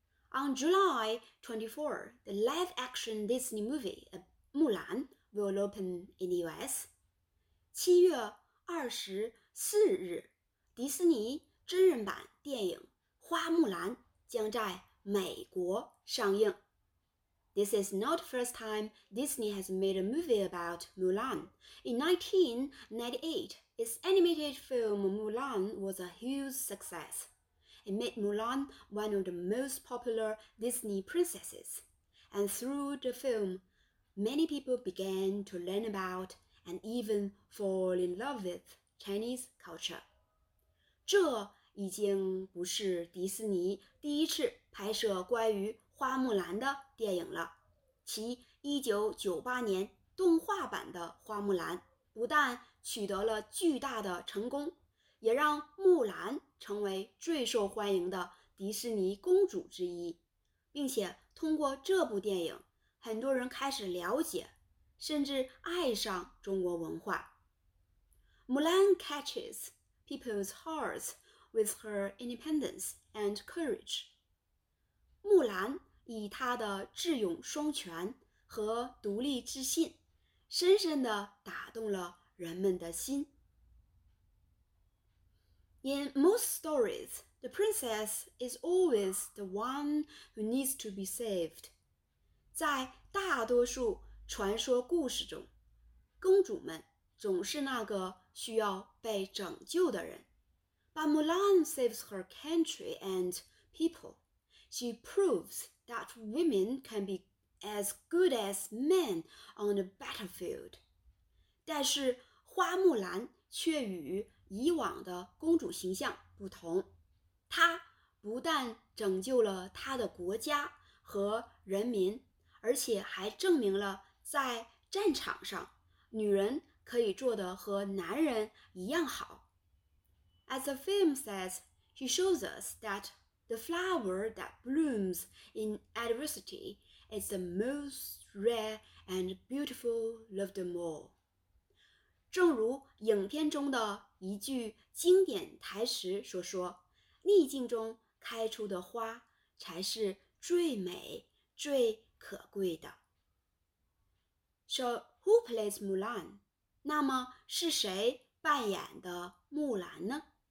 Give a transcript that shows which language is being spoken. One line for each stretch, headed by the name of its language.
English: On July 24, the live-action Disney movie, Mulan, will open in the US.
Chinese: 7月24日,迪士尼真人版电影《花木兰》将在美国上映。
English: This is not the first time Disney has made a movie about Mulan. In 1998, its animated film Mulan was a huge success. It made Mulan one of the most popular Disney princesses. And through the film, many people began to learn about and even fall in love with Chinese culture.
Chinese: 这已经不是迪士尼第一次拍摄关于花木兰的电影了。其1998年动画版的花木兰不但取得了巨大的成功，也让木兰成为最受欢迎的迪士尼公主之一，并且通过这部电影，很多人开始了解甚至爱上中国文化。
English: Mulan catches people's hearts with her independence and courage.
Chinese: 木兰以他的智勇双全和独立自信，深深地打动了人们的心。
English: In most stories, the princess is always the one who needs to be saved.
Chinese: 在大多数传说故事中，公主们总是那个需要被拯救的人。
English: But Mulan saves her country and people. She proves. That women can be as good as men on the battlefield.
Chinese: 但是花木兰却与以往的公主形象不同，她不但拯救了她的国家和人民，而且还证明了在战场上，女人可以做得和男人一样好。
English: As the film says, she shows us that. The flower that blooms in adversity is the most rare and beautiful of them all.
Chinese: 正如影片中的一句经典台词所说，逆境中开出的花才是最美、最可贵的。
English: So, who plays Mulan?
Chinese: 那么是谁扮演的木兰呢？